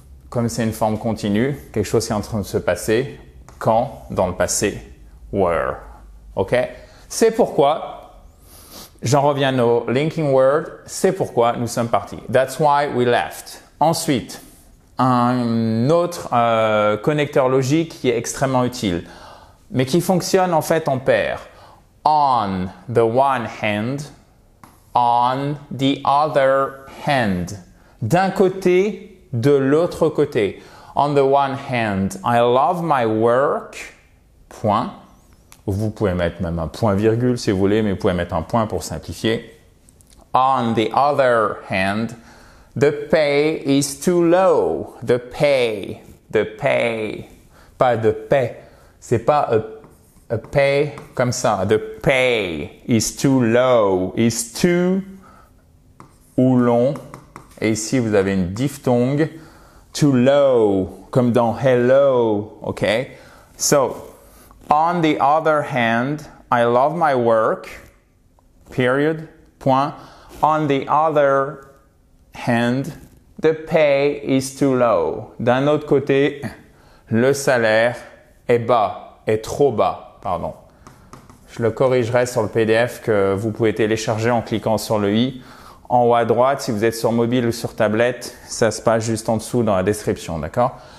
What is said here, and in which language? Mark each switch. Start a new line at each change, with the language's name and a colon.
French: comme c'est une forme continue, quelque chose qui est en train de se passer, quand, dans le passé, were. OK? C'est pourquoi, j'en reviens au linking word, c'est pourquoi nous sommes partis.
English: That's why we left.
French: Ensuite, un autre connecteur logique qui est extrêmement utile, mais qui fonctionne en fait en paire.
English: On the one hand, on the other hand.
French: D'un côté, de l'autre côté.
English: On the one hand, I love my work.
French: Point. Vous pouvez mettre même un point virgule si vous voulez, mais vous pouvez mettre un point pour simplifier.
English: On the other hand, the pay is too low. The pay. The pay.
French: Pas de paix. C'est pas a pay comme ça.
English: The pay is too low.
French: Is too ou long. Et ici, vous avez une diphtongue.
English: Too low,
French: comme dans hello. OK?
English: So, on the other hand, I love my work. Period. Point. On the other hand, the pay is too low.
French: D'un autre côté, le salaire est bas, est trop bas, pardon. Je le corrigerai sur le PDF que vous pouvez télécharger en cliquant sur le i. En haut à droite, si vous êtes sur mobile ou sur tablette, ça se passe juste en dessous dans la description, d'accord?